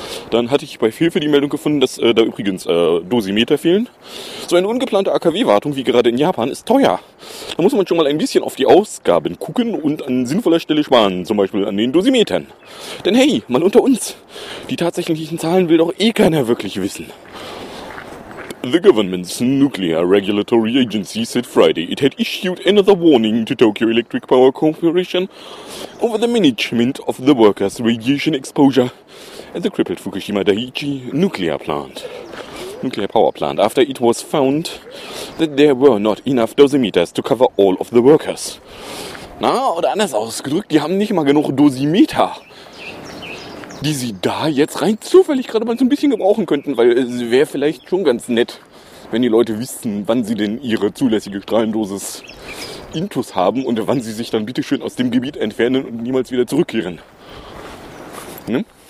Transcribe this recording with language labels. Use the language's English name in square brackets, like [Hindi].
[German] Dann hatte ich bei Hilfe die Meldung gefunden, dass da übrigens Dosimeter fehlen. So eine ungeplante AKW-Wartung, wie gerade in Japan, ist teuer. Da muss man schon mal ein bisschen auf die Ausgaben gucken und an sinnvoller Stelle sparen, zum Beispiel an den Dosimetern. Denn hey, mal unter uns, die tatsächlichen Zahlen will doch eh keiner wirklich wissen. [English] The government's nuclear regulatory agency said Friday it had issued another warning to Tokyo Electric Power Corporation over the management of the workers' radiation exposure at the crippled Fukushima Daiichi nuclear power plant, after it was found that there were not enough dosimeters to cover all of the workers. [German] Na, oder anders ausgedrückt, die haben nicht mal genug Dosimeter, die sie da jetzt rein zufällig gerade mal so ein bisschen gebrauchen könnten, weil es wäre vielleicht schon ganz nett, wenn die Leute wissen, wann sie denn ihre zulässige Strahlendosis intus haben und wann sie sich dann bitteschön aus dem Gebiet entfernen und niemals wieder zurückkehren. Ne?